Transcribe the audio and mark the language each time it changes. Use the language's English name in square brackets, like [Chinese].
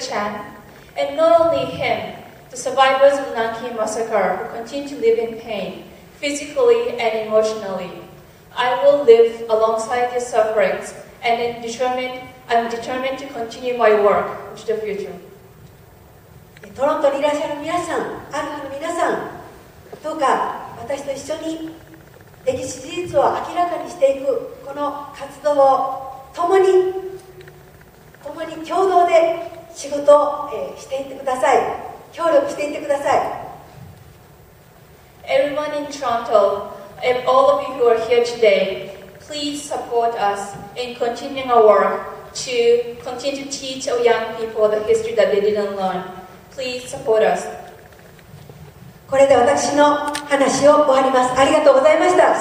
[English] Chan, and not only him, the survivors of Nanking Massacre who continue to live in pain, physically and emotionally. I will live alongside their sufferings and I'm determined to continue my work into the future. [Japanese] トロントにいらっしゃる皆さん、アルファの皆さん、どうか私と一緒に歴史事実を明らかにしていくこの活動を共に共同で仕事をしていってください。協力していってください。 [English] Everyone in Toronto and all of you who are here today, please support us in continuing our work to continue to teach our young people the history that they didn't learn. Please support us. [Japanese] これで私の話を終わります。ありがとうございました。